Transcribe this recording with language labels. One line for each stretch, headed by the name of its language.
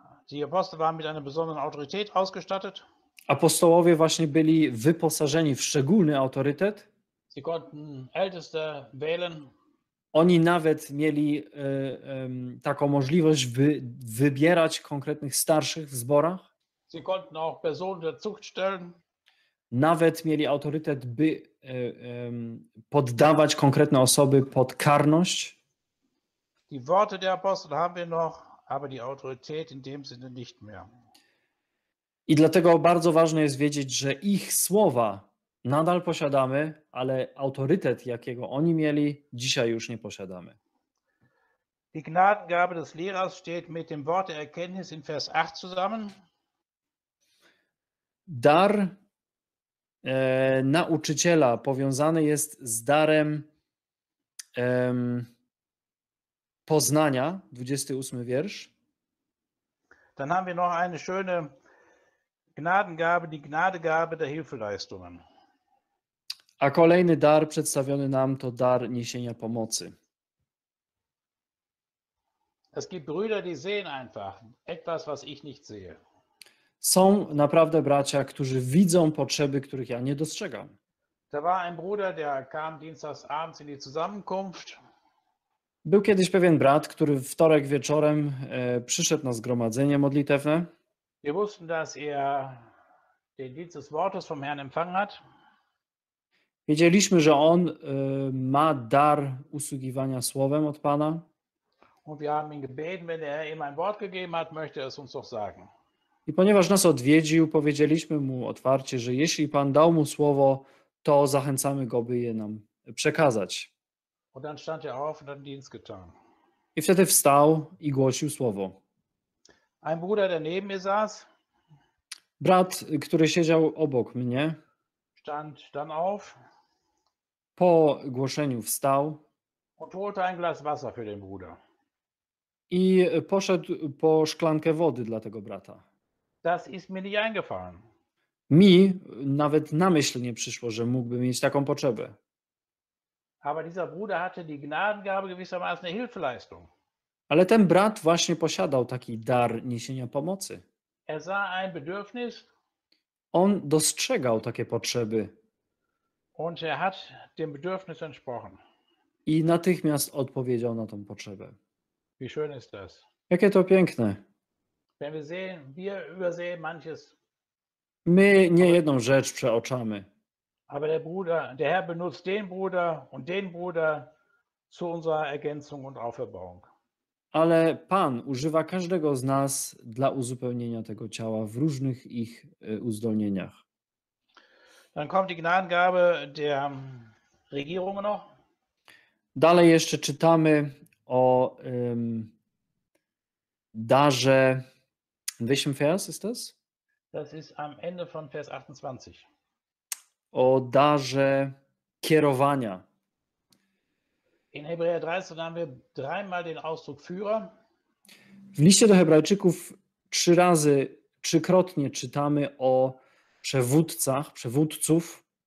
German: Die Apostel waren mit einer besonderen Autorität ausgestattet.
Polish: Apostołowie właśnie byli wyposażeni w szczególny autorytet.
German: Sie konnten Älteste wählen.
Polish: Oni nawet mieli taką możliwość, by wybierać konkretnych starszych w zborach.
German: Sie konnten auch Personen der Zucht stellen.
Polish: Nawet mieli autorytet, by poddawać konkretne osoby pod karność.
German: Die Worte der Apostel haben wir noch, aber die Autorität in dem Sinne nicht mehr.
Polish: I dlatego bardzo ważne jest wiedzieć, że ich słowa nadal posiadamy, ale autorytet, jakiego oni mieli, dzisiaj już nie posiadamy.
German: Die Gnadengabe des Lehrers steht mit dem Wort der Erkenntnis in Vers 8 zusammen.
Polish: Dar nauczyciela powiązany jest z darem poznania, 28 wiersz.
German: Dann haben wir noch eine schöne Gnadengabe, die Gnadegabe der Hilfeleistungen.
Polish: A kolejny dar przedstawiony nam to dar niesienia pomocy.
German: Es gibt Brüder, die sehen einfach etwas, was ich nicht sehe.
Polish: Są naprawdę bracia, którzy widzą potrzeby, których ja nie dostrzegam.
German: Da war ein Bruder, der kam dienstags abends in die Zusammenkunft.
Polish: Był kiedyś pewien brat, który w wtorek wieczorem przyszedł na zgromadzenie modlitewne.
German: Wir wussten, dass er den Dienst des Wortes vom Herrn empfangen hat.
Polish: Wiedzieliśmy, że on ma dar usługiwania słowem od Pana.
German: Und wir haben ihn gebeten, wenn er ihm ein Wort gegeben hat, möchte er es uns doch sagen.
Polish: I ponieważ nas odwiedził, powiedzieliśmy mu otwarcie, że jeśli Pan dał mu słowo, to zachęcamy go, by je nam przekazać.
German: Und dann stand er auf und hat den Dienst getan.
Polish: I wtedy wstał i głosił słowo.
German: Ein Bruder, der neben mir saß,
Polish: brat, który siedział obok mnie,
German: stand dann auf,
Polish: po głoszeniu wstał
German: Und holte ein Glas Wasser für den Bruder.
Polish: I poszedł po szklankę wody dla tego brata.
German: Das ist mir nicht eingefallen.
Polish: Mi nawet na myśl nie przyszło, że mógłby mieć taką potrzebę.
German: Aber dieser Bruder hatte die Gnadengabe gewissermaßen eine Hilfeleistung.
Polish: Ale ten brat właśnie posiadał taki dar niesienia pomocy.
German: Er sah ein Bedürfnis.
Polish: On dostrzegał takie potrzeby.
German: Und er hat dem Bedürfnis entsprochen.
Polish: I natychmiast odpowiedział na tą potrzebę.
German: Wie schön ist das.
Polish: Jakie to piękne.
German: Wenn wir sehen, wir übersehen manches.
Polish: My nie jedną rzecz przeoczamy.
German: Aber der Bruder, der Herr benutzt den Bruder und den Bruder zu unserer Ergänzung und Auferbauung.
Polish: Ale Pan używa każdego z nas dla uzupełnienia tego ciała w różnych ich uzdolnieniach.
German: Dann kommt die Gnadengabe der Regierung noch.
Polish: Dalej jeszcze czytamy o darze.
German: In welchem Vers ist das? Das ist am Ende von Vers 28.
Polish: O darze kierowania.
German: In Hebräer 13 haben wir dreimal den Ausdruck Führer.
Polish: W liście do Hebrajczyków trzykrotnie czytamy o przewódcach, przewódców.